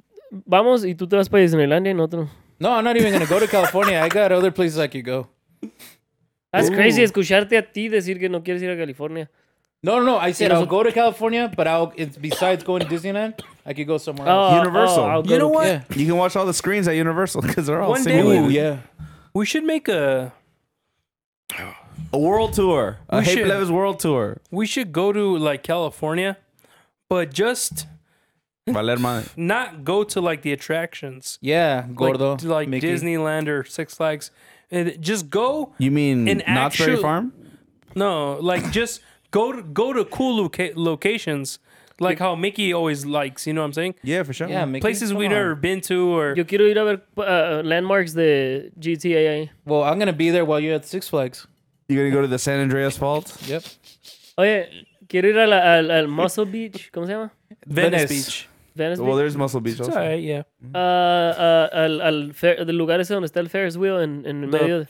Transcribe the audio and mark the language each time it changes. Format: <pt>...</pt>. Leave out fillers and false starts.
<es>Vamos y tú te vas para Disneylandia en otro.</es> <en>No, I'm not even going to go to California. I got other places I could go. That's crazy</en> <es>escucharte a ti decir que no quieres ir a California.</es> <en>No. I said I'll go to California, but besides going to Disneyland, I could go somewhere else. Universal. Oh, you know what? Yeah. You can watch all the screens at Universal because they're all simulated. One day, we should make a world tour. Hey Levis world tour. We should go to like California, but just... not go to like the attractions. Yeah, Gordo. Like Mickey. Disneyland or Six Flags. And just go. You mean Knott's Berry Farm? No, like just go to cool locations like how Mickey always likes. You know what I'm saying? Yeah, for sure. Yeah, Mickey, places we've never been to. Or</en> <es>yo quiero ir a ver landmarks de GTA.</es> <en>Well, I'm going to be there while you're at Six Flags. You're going to go to the San Andreas Fault? Yep.</en> <es>Oye, quiero ir al Muscle Beach. ¿Cómo se llama?</es> <en>Venice Beach. Well, there's Muscle Beach also. It's all right, yeah.</en> <es>The lugar ese donde está el Ferris wheel medio.</es>